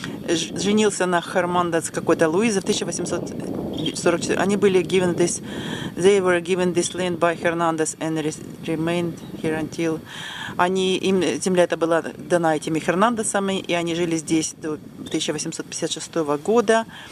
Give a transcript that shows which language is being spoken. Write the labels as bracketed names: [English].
[Russian] Женился на Хермандес какой-то Луиза в 1844. Они были [English] given this, they were given this land by Hernandez and remained here until. [Russian] Они, им земля эта была дана этими Хернандесами, и они жили здесь до 1856 года.